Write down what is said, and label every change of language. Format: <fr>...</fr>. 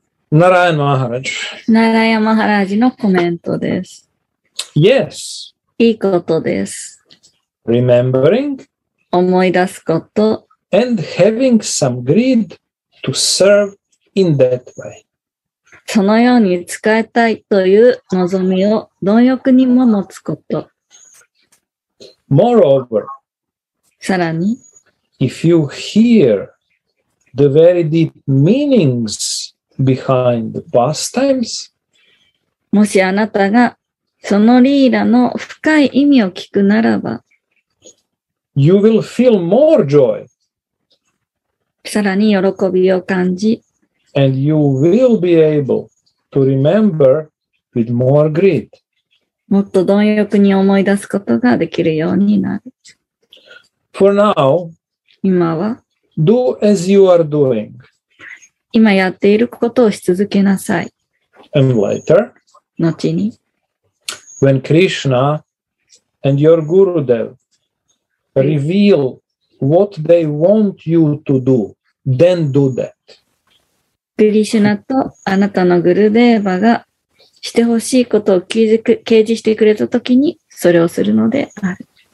<en>Narayan Maharaj.</en> <ja>Narayan Maharaj のコメントです。</ja> <en>Yes.</en> <ja>いいことです。</ja> <en>Remembering.</en> <ja>思い出すこと。</ja> <en>And having some greed to serve in that way.</en> <ja>そのように使いたいという望みを貪欲にも持つこと。</ja> <en>Moreover.</en> <ja>さらに。</ja> <en>If you hear the very deep meanings behind the pastimes,</en> <ja>もしあなたがそのリーラの深い意味を聞くならば、</ja> <en>you will feel more joy.</en> <ja>さらに喜びを感じ、</ja> <en>and you will be able to remember with more greed.</en> <ja>もっと貪欲に思い出すことができるようになる。</ja> <en>For now,</en> <ja>今は、</ja> <en>do as you are doing.</en> <ja>今やっていることをし続けなさい。</ja> <en>And later,</en> <ja>後に、</ja> <en>when Krishna and your Gurudev reveal what they want you to do, then do that.</en> <ja>クリシュナとあなたのグルデーバがしてほしいことを掲示してくれたときに、それをするのである。</ja>